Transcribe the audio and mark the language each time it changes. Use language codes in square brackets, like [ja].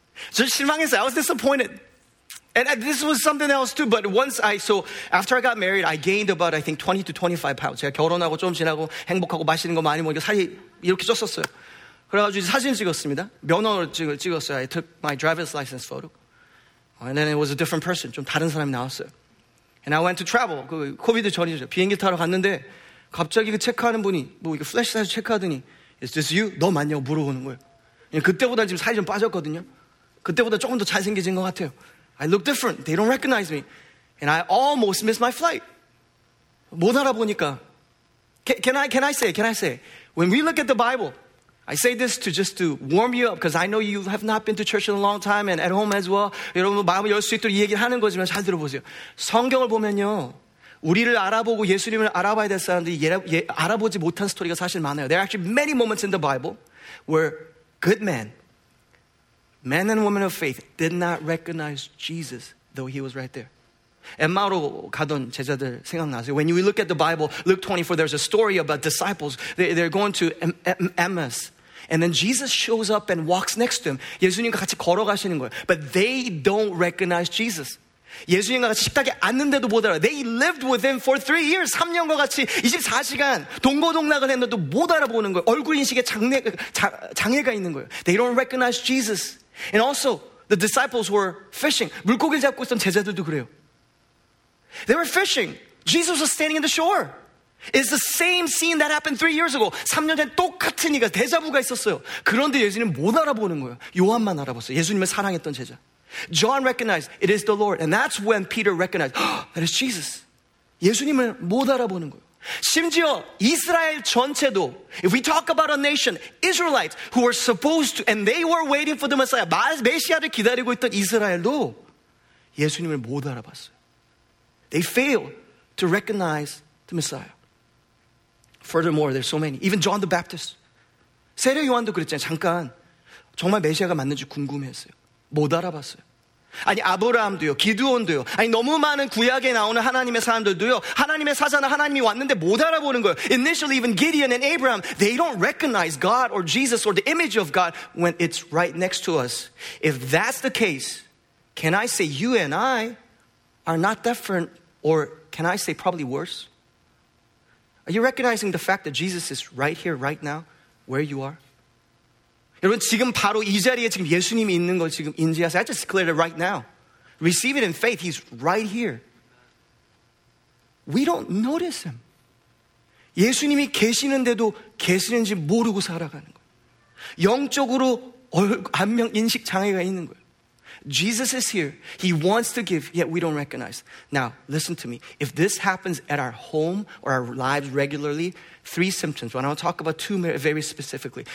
[ko] 저 실망했어요. [en] I was disappointed. And this was something else too. But once I, so after I got married, I gained about I think 20 to 25 pounds. [ko] 제가 결혼하고 좀 지나고 행복하고 맛있는 거 많이 먹으니까 살이 이렇게 쪘었어요. 그래가지고 이제 사진 찍었습니다. 면허를 찍었어요. [en] I took my driver's license photo. And then it was a different person. [ko] 좀 다른 사람이 나왔어요. [en] And I went to travel. [ko] 그 코비드 전이죠. 비행기 타러 갔는데 갑자기 그 체크하는 분이 뭐 이거 플래시해서 체크하더니 [en] Is this you? [ko] 너 맞냐고 물어보는 거예요. 그때보다 지금 살이 좀 빠졌거든요. 그때보다 조금 더 잘생겨진 것 같아요. [en] I look different. They don't recognize me. And I almost missed my flight. [ko] 못 알아보니까 [en] Can I say? When we look at the Bible, I say this to just to warm you up because I know you have not been to church in a long time and at home as well. [ko] 여러분 마음을 열 수 있도록 이 얘기를 하는 거지만 잘 들어보세요. 성경을 보면요. 우리를 알아보고 예수님을 알아봐야 될 사람들이 알아보지 못한 스토리가 사실 많아요. [en] There are actually many moments in the Bible where good men, Men and women of faith did not recognize Jesus, though he was right there. [ko] 엠마오로 가던 제자들 생각나세요? [en] When you look at the Bible, Luke 24, there's a story about disciples. They're going to Emmaus. And then Jesus shows up and walks next to him. [ko] 예수님과 같이 걸어가시는 거예요. [en] But they don't recognize Jesus. [ko] 예수님과 같이 식탁에 앉는데도 못 알아. [en] They lived with him for 3 years. [ko] 3년과 같이 24시간 동고동락을 했는데도 못 알아보는 거예요. 얼굴 인식에 장애가 있는 거예요. [en] They don't recognize Jesus. And also, the disciples were fishing. [ko] 물고기를 잡고 있던 제자들도 그래요. [en] They were fishing. Jesus was standing on the shore. It's the same scene that happened 3 years ago. [ko] 3년 전 똑같은 이가 대자부가 있었어요. 그런데 예수님 못 알아보는 거예요. 요한만 알아봤어요. 예수님을 사랑했던 제자. [en] John recognized it is the Lord. And that's when Peter recognized that is Jesus. [ko] 예수님을 못 알아보는 거예요. 심지어 이스라엘 전체도, [en] if we talk about a nation, Israelites who were supposed to, and they were waiting for the Messiah, [ko] 메시아를 기다리고 있던 이스라엘도 예수님을 못 알아봤어요. [en] They failed to recognize the Messiah. Furthermore, there's so many. Even John the Baptist. [ko] 세례 요한도 그랬잖아요. 잠깐, 정말 메시아가 맞는지 궁금했어요. 못 알아봤어요. 아니 아브라함도요, 기드온도요. 아니 너무 많은 구약에 나오는 하나님의 사람들도요. 하나님의 사자나 하나님이 왔는데 못 알아보는 거예요. [en] Initially, even Gideon and Abraham, they don't recognize God or Jesus or the image of God when it's right next to us. If that's the case, can I say you and I are not different, or can I say probably worse? Are you recognizing the fact that Jesus is right here, right now, where you are? [ko] 여러분, 지금 바로 이 자리에 지금 예수님이 있는 걸 지금 인지하세요. [en] I just declared it right now. Receive it in faith. He's right here. We don't notice him. [ko] 예수님이 계시는데도 계시는지 모르고 살아가는 거예요. 영적으로 안면 인식 장애가 있는 거예요. [en] Jesus is here. He wants to give, yet we don't recognize. Now, listen to me. If this happens at our home or our lives regularly, 3 symptoms. When I want to talk about 2 very specifically.